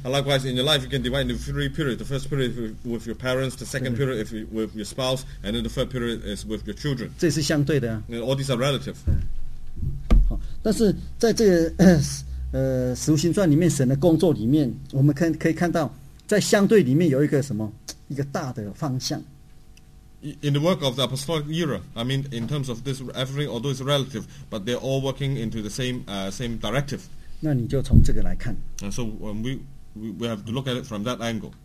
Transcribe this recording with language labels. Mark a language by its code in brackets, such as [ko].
[en] Likewise, in your life, you can divide into three periods. The first period with your parents, the second period if you, with your spouse, and then the third period is with your children. [zh] 这是相对的啊。All [en] these are relative. [zh] 好，但是在这个使徒行传里面，神的工作里面，我们可以看到，在相对里面有一个什么？一个大的方向 [en] In the work of the apostolic era I mean in terms of this everything although it's relative but they're all working into the same directive [zh] 那你就从这个来看 [en] And so when we have to look at it from that angle